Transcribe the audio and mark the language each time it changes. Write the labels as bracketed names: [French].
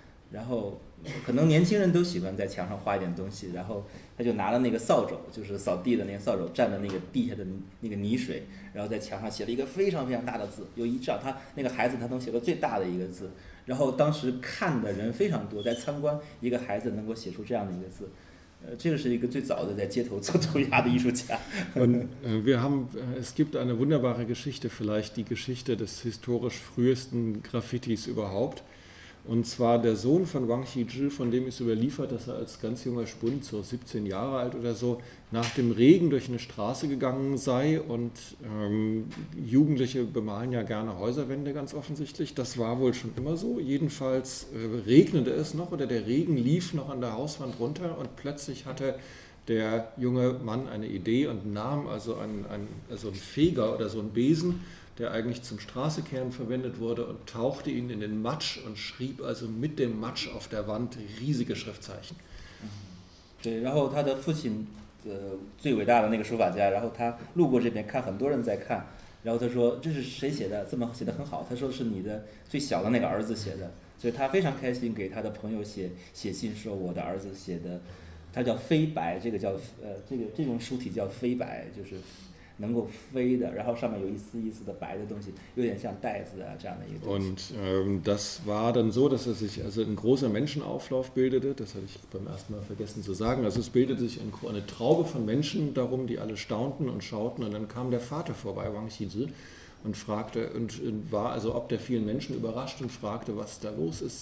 [Chinese] 然后可能年轻人都喜欢在墙上画一点东西，然后他就拿了那个扫帚，就是扫地的那个扫帚，蘸着那个地下的那个泥水，然后在墙上写了一个非常非常大的字，有一丈，他那个孩子他能写的最大的一个字，然后当时看的人非常多，在参观一个孩子能够写出这样的一个字，这个是一个最早的在街头做涂鸦的艺术家。 [German] Wir haben, es gibt eine wunderbare Geschichte, vielleicht die Geschichte des historisch frühesten Graffitis überhaupt. Und zwar der Sohn von Wang Qiji, von dem ist überliefert, dass er als ganz junger Spund, so 17 Jahre alt oder so, nach dem Regen durch eine Straße gegangen sei. Und Jugendliche bemalen ja gerne Häuserwände ganz offensichtlich. Das war wohl schon immer so. Jedenfalls regnete es noch oder der Regen lief noch an der Hauswand runter. Und plötzlich hatte der junge Mann eine Idee und nahm also so einen Feger oder so einen Besen,der eigentlich zum Straßekehren verwendet wurde und tauchte ihn in den Matsch und schrieb also mit dem Matsch auf der Wand riesige Schriftzeichen. [Chinese] 对，然后他的父亲，最伟大的那个书法家，然后他路过这边看很多人在看，然后他说这是谁写的？这么写的很好。他说是你的最小的那个儿子写的，所以他非常开心，给他的朋友写信说我的儿子写的，他叫飞白，这个叫这种书体叫飞白，就是。能够飞的，然后上面有一丝一丝的白的东西，有点像袋子啊这样的一个东西。 [German] Und das war dann so, dass sich also ein großer Menschenauflauf bildete. Das hatte ich beim ersten Mal vergessen zu sagen. Also es bildete sich eine Traube von Menschen darum, die alle staunten und schauten. Und dann kam der Vater vorbei, Wang Qiji, und fragte und war also ob der vielen Menschen überrascht und fragte, was da los ist.